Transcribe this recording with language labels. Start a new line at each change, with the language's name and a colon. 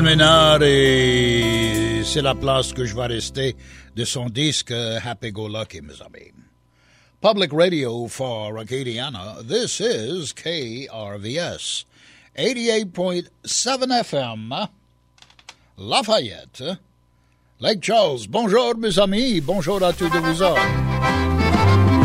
French: Ménard, et c'est la place que je vais rester de son disque Happy Go Lucky, mes amis.
English: Public Radio for Acadiana, this is KRVS, 88.7 FM, Lafayette, Lake Charles.
French: Bonjour, mes amis, bonjour à tous de vous autres.